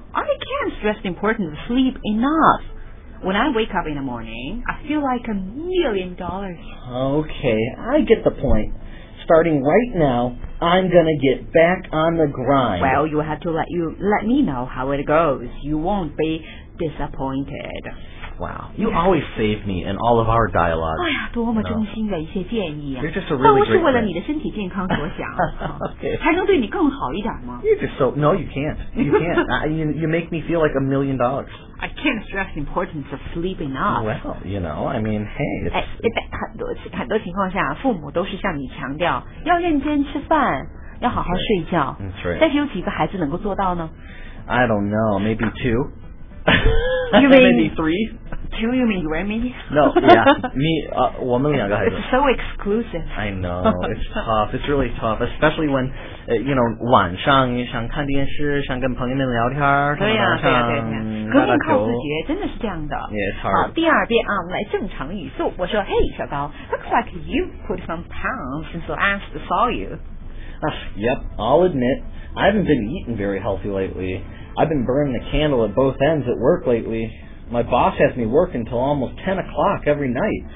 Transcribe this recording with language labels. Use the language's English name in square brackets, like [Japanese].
[English] I can't stress the importance of sleep enough. When I wake up in the morning, I feel like $1 million. Okay, I get the point. Starting right now, I'm gonna get back on the grind. Well, you have to let me know how it goes. You won't be disappointed. Wow, you always save me in all of our dialogues. [Chinese] 哎呀，多么真心的一些建议啊！ [English] You're just a really [Chinese] 都是为了你的身体健康着想， [English] okay. [Chinese] 还能对你更好一点吗 [English] ？You're just so no, you can't. You can't. you make me feel like $1 million. I can't stress the importance of sleeping enough. Well, you know, I mean, hey, [Chinese] 很多情况下，父母都是向你强调要认真吃饭，要好好睡觉。 [English] That's right. [Chinese] 但是有几个孩子能够做到呢 [English] ？I don't know. Maybe two. You mean maybe three? Do you mean you and me? No, yeah, me, [Chinese] 我们两个孩子 [English] It's so exclusive. I know, it's tough, it's really tough, especially when, you know, [Chinese] 晚上你想看电视，想跟朋友们聊天，对呀，对呀，对呀，革命靠自觉，真的是这样的。 [English] Yeah, it's hard. [Chinese] 好，第二遍啊，我们来正常语速。我说 [English] ，Hey, 小高 ，looks like you put some pounds since last saw you. Yep, I'll admit, I haven't been eating very healthy lately. I've been burning the candle at both ends at work lately. My boss has me work until almost 10 o'clock every night.